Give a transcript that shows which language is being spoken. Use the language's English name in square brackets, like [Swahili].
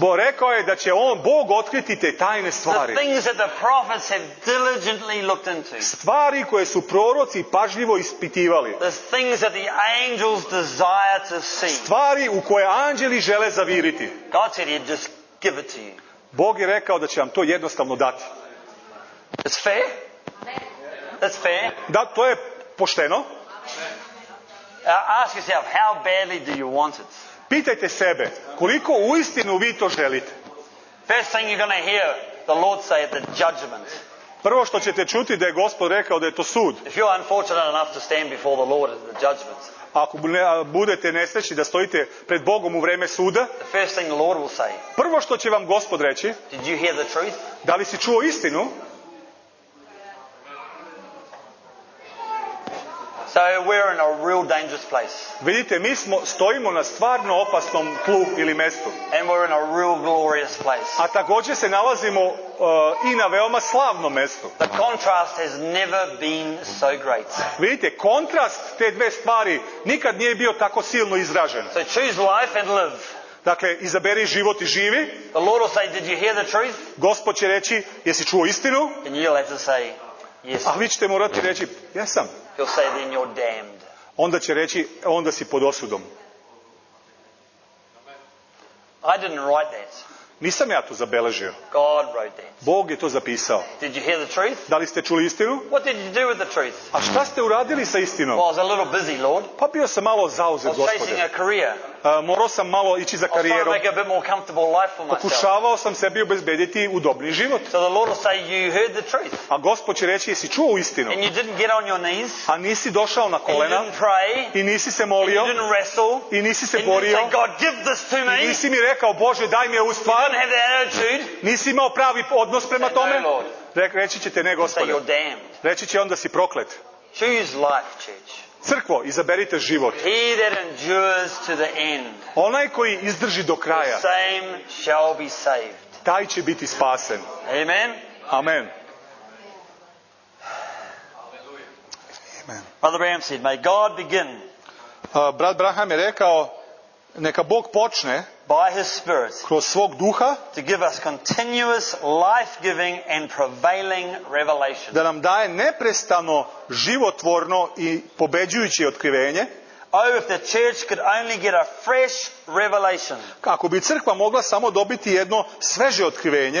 [Serbian] Bo rekao je da će on, Bog, otkriti te tajne stvari. [English] The things that the prophets have diligently looked into. [Serbian] Stvari koje su proroci pažljivo ispitivali. [English] The things that the angels desire to see. [Serbian] Stvari u koje anđeli žele zaviriti. [English] God said he'd just give it to you. [Serbian] Bog je rekao da će vam to jednostavno dati. [English] It's fair? That's fair. [Serbian] Da, to je pošteno. [English] Ask yourself, how badly do you want it? [Serbian] Pitajte sebe, koliko uistinu vi to želite? [English] First thing you're going to hear the Lord say is the judgment. [Serbian] Prvo što ćete čuti da je Gospod rekao da je to sud. [English] If you're unfortunate enough to stand before the Lord is the judgment. [Serbian] Ako budete nesrećni da stojite pred Bogom u vreme suda. [English] The first thing the Lord will say. [Serbian] Prvo što će vam Gospod reći. [English] Did you hear the truth? [Serbian] Da li si čuo istinu? [English] So we're in a real dangerous place. [Serbian] Vidite, mi stojimo na stvarno opasnom tlu ili mestu. [English] And we're in a real glorious place. [Serbian] A također se nalazimo i na veoma slavnom mestu. [English] The contrast has never been so great. [Serbian] Vidite, kontrast te dve stvari nikad nije bio tako silno izražen. [English] So choose life and live. [Serbian] Dakle, izaberi život i živi. [English] The Lord will say, did you hear the truth? [Serbian] Gospod će reći, jesi čuo istinu? [English] And you'll have to say, yes. [Serbian] A vi ćete morati reći, jesam. [English] He'll say, then you're damned. [Serbian] Onda će reći, onda si pod osudom. [English] I didn't write that. [Serbian] Nisam ja to zabeležio. [English] God wrote that. [Serbian] Bog je to zapisao. [English] Did you hear the truth? [Serbian] Da li ste čuli istinu? [English] What did you do with the truth? [Serbian] A šta ste uradili sa istinom? [English] Well, I was a little busy, Lord. [Serbian] Pa bio sam malo zauzet, [English] Gospode. I was chasing a career. [Serbian] Morao sam malo ići za karijerom. [English] I was trying to make a bit more comfortable life for myself. [Serbian] Pokušavao sam sebi obezbediti udobni život. [English] So the Lord will say, you heard the truth. [Serbian] A Gospod će reći, jesi čuo istinu? [English] And you didn't get on your knees. [Serbian] A nisi došao na kolena. [English] And you didn't pray. [Serbian] I nisi se molio. [English] And you didn't wrestle. [Serbian] I nisi se borio. [English] And you said, God, give this to me. [Serbian] I nisi mi rekao, Bože, daj mi ovu stvar. [English] You didn't have that attitude. [Serbian] Nisi imao pravi odnos prema tome. [English] No, Lord. [Serbian] Reći će te, ne, Gospode. [English] You're damned. [Serbian] Reći će onda si proklet. [English] Choose life, church. [Serbian] Crkvo, izaberite život. [English] He that endures to the end. [Serbian] Onaj koji izdrži do kraja. [English] The same shall be saved. [Serbian] Taj će biti spasen. [English] Amen. [Serbian] Amen. Amen. [English] Brother Branham said, may God begin. [Serbian] Brat Branham je rekao, neka Bog počne. [English] by his spirit [Serbian] kroz svog duha [English] to give us continuous life-giving and prevailing revelation. [Serbian] Da nam daje neprestano životvorno i pobeđujuće otkrivenje. [English] Oh, if the church could only get a fresh revelation. [Serbian] Kako bi crkva mogla samo dobiti jedno sveže otkrivenje